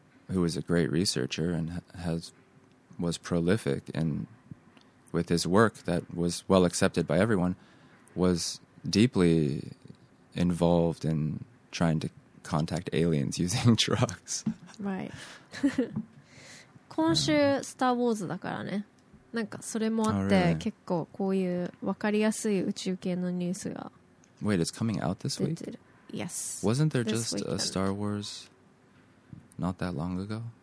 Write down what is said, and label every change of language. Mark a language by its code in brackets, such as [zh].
[en] who was a great researcher and was prolific in with his work that was well accepted by everyone, was deeply involved in trying to contact aliens using drugs. Right. [ja] 今週スター・ウォーズだからね。なんかそれもあって、 [en] oh, really? [ja] 結構こういう分かりやすい宇宙系のニュースが。 [en] Wait, it's coming out this week? Yes. Wasn't there just a Star Wars not that long ago?